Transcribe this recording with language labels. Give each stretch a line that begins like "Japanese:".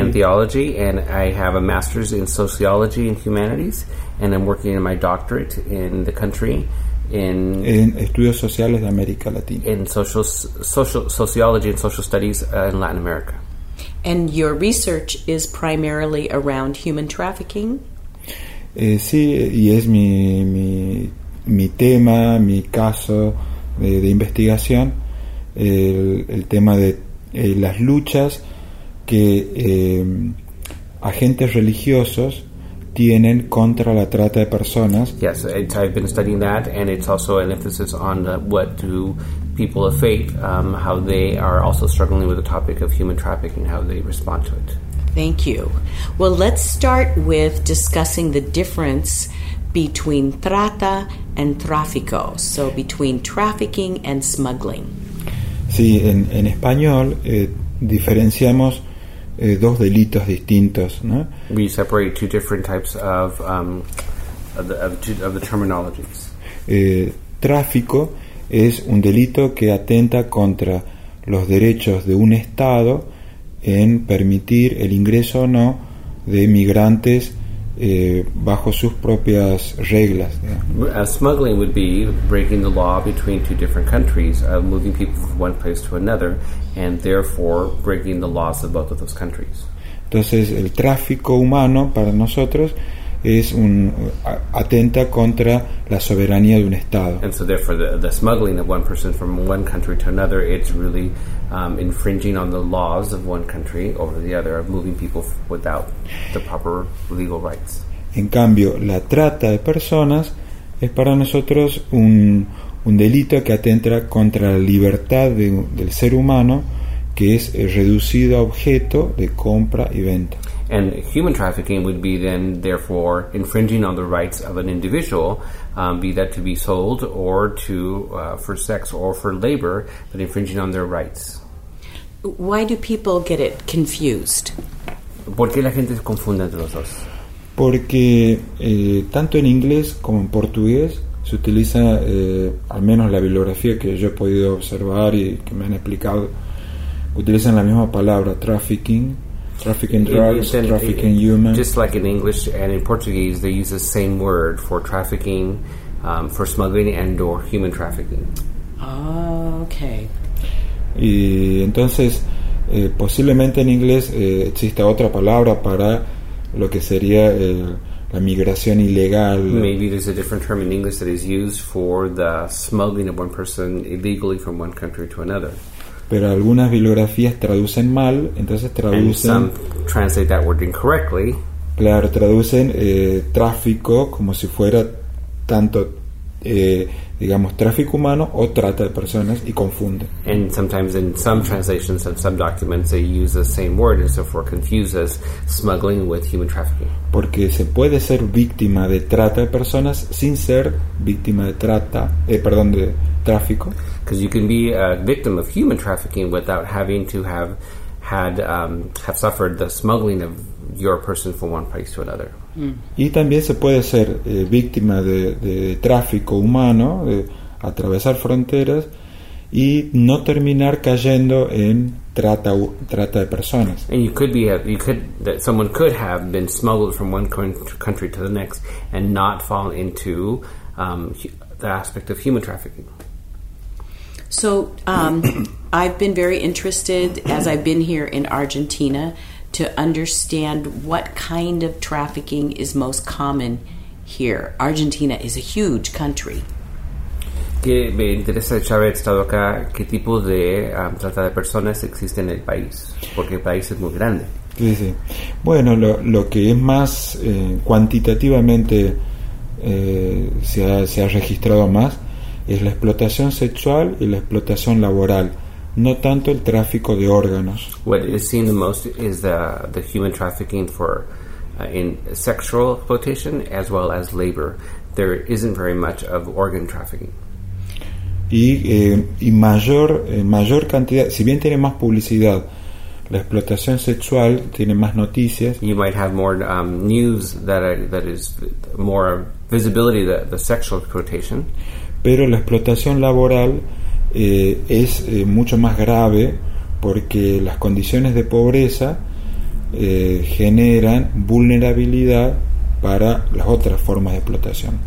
English: and theology, and I have a master's in sociology and humanities, and I'm working in my doctorate in the country.
Spanish: En estudios sociales de América Latina.
English: In sociology and social studies in Latin America. And your research is primarily around human trafficking?
Spanish: Sí, y es mi tema, mi caso de investigación, el tema de las luchas que agentes religiosos tienen contra la trata de personas.
English: Yes, I've been studying that, and it's also an emphasis on what do people of faith, how they are also struggling with the topic of human trafficking, how they respond to it. Thank you. Well, let's start with discussing the difference between trata and tráfico, so between trafficking and smuggling.
Spanish: Sí, en español diferenciamos dos delitos distintos, ¿no?
English: We separate two different types of the terminologies.
Spanish: Tráfico es un delito que atenta contra los derechos de un Estado en permitir el ingreso o no de migrantes bajo sus propias reglas.
English: Smuggling would be breaking the law between two different countries, moving people from one place to another, and therefore breaking the laws of both of those countries.
Spanish: Entonces, el tráfico humano para nosotros es un atenta contra la soberanía de un estado.
English: And so therefore the smuggling of one person from one country to another, it's really infringing on the laws of one country over the other, of moving people without the proper legal rights.
Spanish: En cambio, la trata de personas es para nosotros un delito que atenta contra la libertad del ser humano, que es reducido a objeto de compra y venta.
English: And human trafficking would be then, therefore, infringing on the rights of an individual, be that to be sold or to for sex or for labor, but infringing on their rights. Why do people get it confused?
Spanish: ¿Por qué la gente se confunde entre los dos? Porque tanto en inglés como en portugués se utiliza, al menos la bibliografía que yo he podido observar y que me han explicado, utilizan la misma palabra, trafficking.
English: Trafficking drugs, trafficking humans. Just like in English and in Portuguese, they use the same word for trafficking, for smuggling and or human trafficking. Oh, okay.
Spanish: Y entonces, posiblemente en inglés exista otra palabra para lo que sería la migración ilegal.
English: Maybe there's a different term in English that is used for the smuggling of one person illegally from one country to another.
Spanish: Pero algunas bibliografías traducen mal, entonces traducen.
English: And some translate that word incorrectly.
Spanish: Claro, traducen tráfico como si fuera tanto, digamos, tráfico humano o trata de personas y confunden.
English: And sometimes in some translations of some documents they use the same word and so forth confuses smuggling with human trafficking.
Spanish: Porque se puede ser víctima de trata de personas sin ser víctima de trata, perdón, de tráfico.
English: Because you can be a victim of human trafficking without having to have had have suffered the smuggling of your person from one place to another. Mm.
Spanish: Y también se puede ser víctima de tráfico humano, de atravesar fronteras y no terminar cayendo en trata de personas.
English: And someone could have been smuggled from one country to the next and not fall into the aspect of human trafficking. So I've been very interested, as I've been here in Argentina, to understand what kind of trafficking is most common here. Argentina is a huge country.
Spanish: Que me interesa saber, estado acá, qué tipo de trata de personas existe en el país, porque el país es muy grande. Sí, sí. Bueno, lo que es más cuantitativamente se ha registrado más es la explotación sexual y la explotación laboral, no tanto el tráfico de órganos.
English: What is seen the most is the human trafficking for in sexual exploitation as well as labor. There isn't very much of organ trafficking.
Spanish: Y mayor cantidad, si bien tiene más publicidad, la explotación sexual tiene más noticias.
English: You might have more news that is more visibility the sexual exploitation.
Spanish: Pero la explotación laboral es mucho más grave porque las condiciones de pobreza generan vulnerabilidad para las otras formas de explotación.